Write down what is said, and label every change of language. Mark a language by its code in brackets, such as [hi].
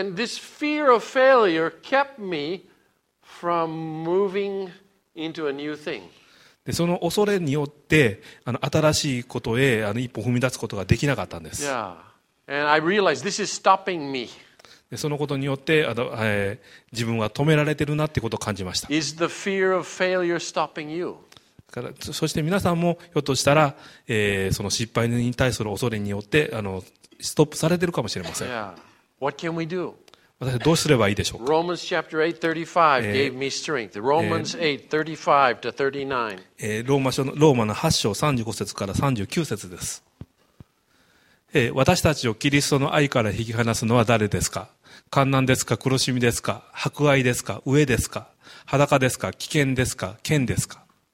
[en] And this fear of failure kept me from moving into a new thing. [ja] でその恐れによって新しいことへ一歩踏み出すことができなかったんです。 [en] Yeah. And I realized this is stopping me. [ja] でそのことによって自分は止められてるなってことを感じました。 [en] Is the fear of failure stopping you? [ja] からそして皆さんもひょっとしたら、その失敗に対する恐れによってストップされてるかもしれません。 [en] Yeah. What can we do? [ja] 私どうすればいいでしょうか。 [en] Romans chapter 8, 35 gave me strength. Romans 8, 35 to 39. [ja] ローマの8章35節から39節です。私たちをキリストの愛から引き離すのは誰ですか。患難ですか、苦しみですか、迫害ですか、飢えですか、裸ですか、危険ですか、剣ですか。